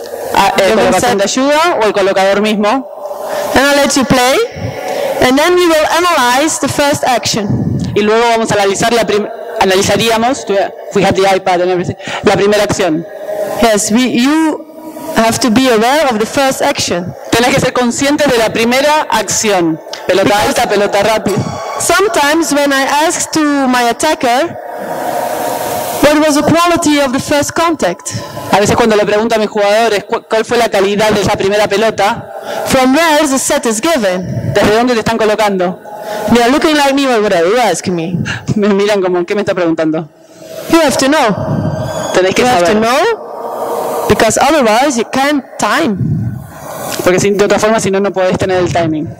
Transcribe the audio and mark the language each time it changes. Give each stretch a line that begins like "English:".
Spanish: El colocador de ayuda o el colocador mismo.
English: And I'll let you play, and then we will analyze the first action.
Spanish: Y luego vamos a analizar la analizaríamos.
English: We have the iPad and everything.
Spanish: La primera acción.
English: Yes, you have to be aware of the first action.
Spanish: Tienes que ser consciente de la primera acción. Pelota because alta, pelota rápida.
English: Sometimes when I ask to my attacker, what was the quality of the first contact?
Spanish: A veces cuando le pregunto a mis jugadores cuál fue la calidad de esa primera pelota.
English: From where the set is given?
Spanish: ¿Desde dónde te están colocando?
English: They are looking like me, or what are you asking me?
Spanish: Me miran como, ¿qué me está preguntando?
English: You have to know.
Spanish: Tenés que
English: you
Spanish: saber.
English: Have to know, because otherwise you can't time.
Spanish: Porque de otra forma, si no, no podés tener el timing.